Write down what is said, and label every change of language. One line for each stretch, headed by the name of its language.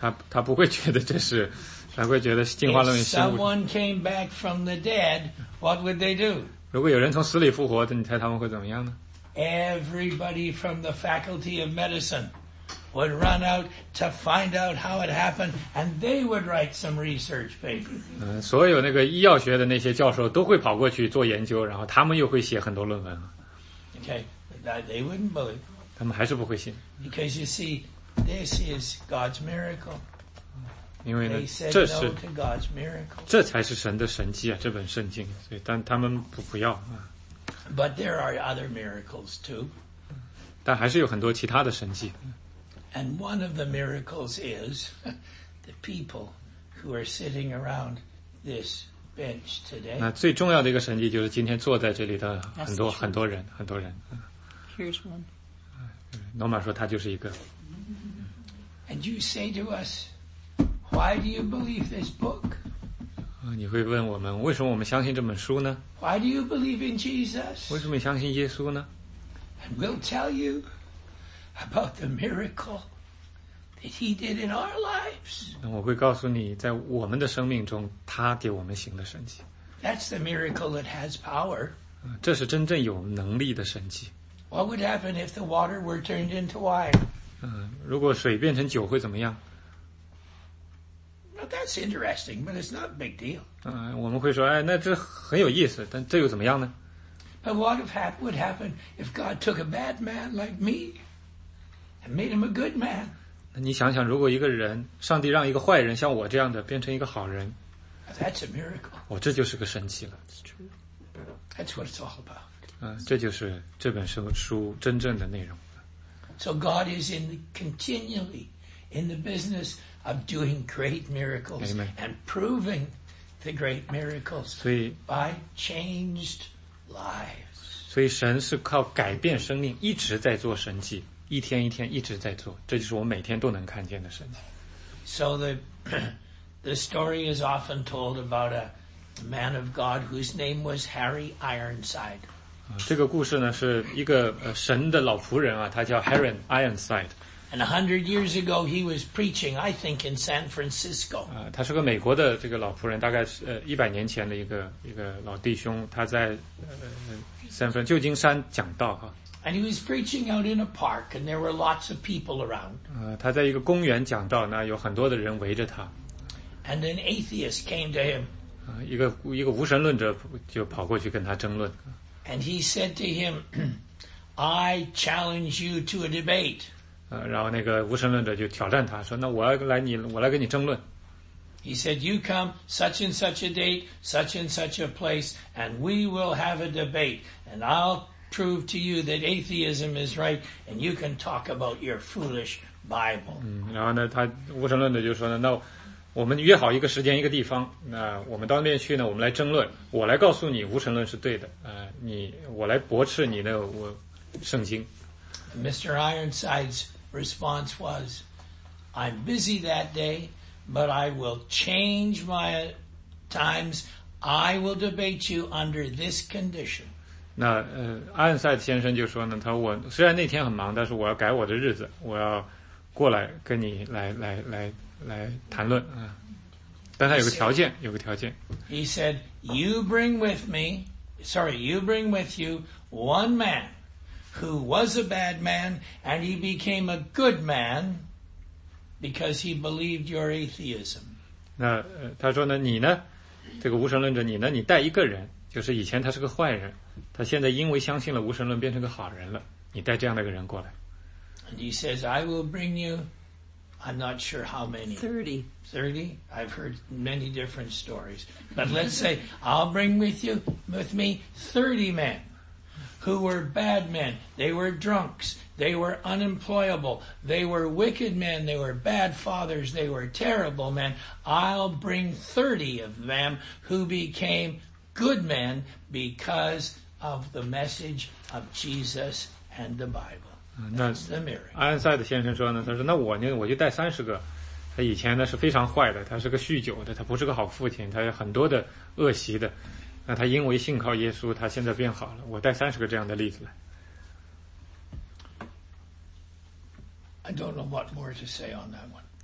Chinese: 他不会觉得这是，他会觉得进化论的新物种。如果有人从死里复活，你猜他们会怎么样呢？
English: Everybody from the Faculty of Medicine would run out to find out how it happened, and they would write some research paper.
Chinese: 所有那个医药学的那些教授都会跑过去做研究，然后他们又会写很多论文。
English: Okay, that they wouldn't believe.
Chinese: 他们还是不会信。
English: Because you see, this is God's miracle.
Chinese: 因为呢，
English: they said no to God's miracle.
Chinese: 这才是神的神迹啊，这本圣经。所以，但他们不要啊。
English: But there are other miracles too.
Chinese: 但还是有很多其他的神迹。
English: And one of the miracles is the people who are sitting around this bench today.
Chinese: 那最重要的一个神迹就是今天坐在这里的很多很多人，很多人。
English: Here's one.
Chinese: Norma 说他就是一个。
English: And you say to us, why do you believe this book?
Chinese: 你会问我们，为什么我们相信这本书呢？
English: Why do you believe in Jesus?
Chinese: 为什么相信耶稣呢？
English: And we'll tell you. About the miracle that he did in our lives.
Chinese: 我会告诉你，在我们的生命中，他给我们行的神迹。
English: That's the miracle that has power.
Chinese: 这是真正有能力的神迹。
English: What would happen if the water were turned into wine?
Chinese: 如果水变成酒会怎么样？
English: Well, that's interesting, but it's not a big deal.
Chinese: 我们会说，哎，那这很有意思，但这又怎么样呢？
English: But what would happen if God took a bad man like me? Made him a good man.
Chinese: 那你想想，如果一个人，上帝让一个坏人像我这样的变成一个好人
English: ，That's a miracle.
Chinese: 哦，这就是个神奇了。
English: It's true. That's what it's all about.
Chinese: 这就是这本书真正的内容。
English: So God is in continually in the business of doing great miracles、 Amen. And proving the great miracles by changed lives.
Chinese: 所以神是靠改变生命一直在做神迹。一天一天一直在做，这就是我每天都能看见的神迹。
English: So the story is often told about a man of God whose name was Harry Ironside.
Chinese: 这个故事呢是一个神的老仆人啊，他叫 Harry Ironside.
English: And 100 years ago, he was preaching, I think, in San Francisco.
Chinese: 他是个美国的这个老仆人，大概是100年前的一个老弟兄，他在旧金山讲道哈。
English: And he was preaching out in a park, and there were lots of people around.
Chinese: 他在一个公园讲道，那有很多的人围着他。
English: And an atheist came to him.
Chinese: 一个无神论者就跑过去跟他争论。
English: And he said to him, "I challenge you to a debate."
Chinese: 然后那个无神论者就挑战他说，那我来跟你争论。
English: He said, "You come such and such a date, such and such a place, and we will have a debate, and I'll prove to you that atheism is right, and you can talk about your foolish Bible."
Chinese: 然后呢，他无神论者就说呢，那我们约好一个时间一个地方，那我们到那边去呢，我们来争论，我来告诉你无神论是对的，我来驳斥你的圣经。
English: Mr. Ironside's response was, "I'm busy that day, but I will change my times. I will debate you under this condition."
Chinese: 那艾恩塞德先生就说呢，他说我虽然那天很忙，但是我要改我的日子，我要过来跟你来谈论啊。但他有个条件，有个条件。
English: He said, "You bring with you one man who was a bad man and he became a good man because he believed your atheism."
Chinese: 那他说呢，你呢，这个无神论者，你呢，你带一个人，就是以前他是个坏人。他现在因为相信了无神论变成个好人了，你带这样的一个人过来。
English: And he says, "I will bring you, I'm not sure how many. 30. I've heard many different stories. But let's say, I'll bring with me 30 men who were bad men. They were drunks. They were unemployable. They were wicked men. They were bad fathers. They were terrible men. I'll bring 30 of them who became good men because of the message of Jesus and the Bible. That's the miracle.
Chinese: 安塞德先生说呢，他说那我就带三十个。他以前呢是非常坏的，他是个酗酒的，他不是个好父亲，他有很多的恶习的。那他因为信靠耶稣，他现在变好了。我带三十个这样的例子来。
English: I don't know what more to say on that one.